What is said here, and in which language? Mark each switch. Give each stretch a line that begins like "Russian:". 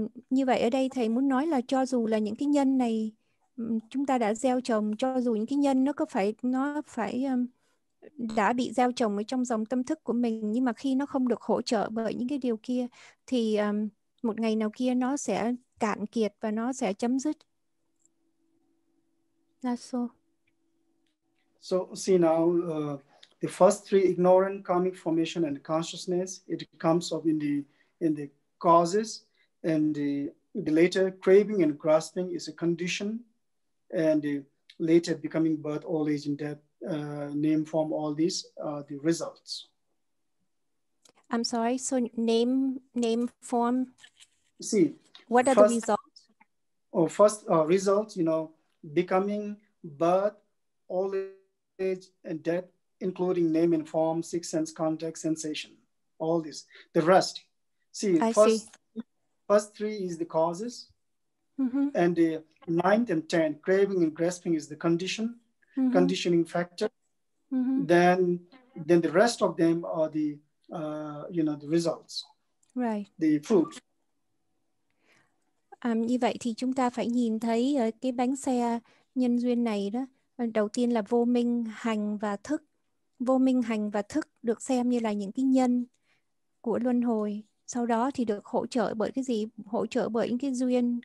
Vietnamese: Như vậy ở đây thầy muốn nói là cho dù là những cái nhân này chúng ta đã gieo trồng, cho dù những cái nhân nó phải đã bị gieo trồng ở trong dòng tâm thức của mình, nhưng mà khi nó không được hỗ trợ bởi những cái điều kia thì một ngày nào kia nó sẽ cạn kiệt và nó sẽ chấm dứt. Lasso.
English: So see now, the first three, ignorant, karmic formation and consciousness, it comes up in the causes, and the later craving and grasping is a condition, and later becoming, birth, old age and death, name, form, all these are the results. I'm sorry, so name, form? See. What are the results? Oh, first results, you know, becoming, birth, old age and death, including name and form, six sense, contact, sensation, all this. The rest. See, first three is the causes. Mm-hmm. And the ninth and tenth, craving and grasping is the condition, mm-hmm. conditioning factor. Mm-hmm. Then the rest of them are the, you know, the results. Right. The fruit.
Vietnamese: Như vậy thì chúng ta phải nhìn thấy ở cái bánh xe nhân duyên này đó. Đầu tiên là vô minh, hành và thức. Vô minh, hành và thức được xem như là những cái nhân của luân hồi. Sau đó thì được hỗ trợ bởi cái gì? Hỗ trợ bởi những cái duyên.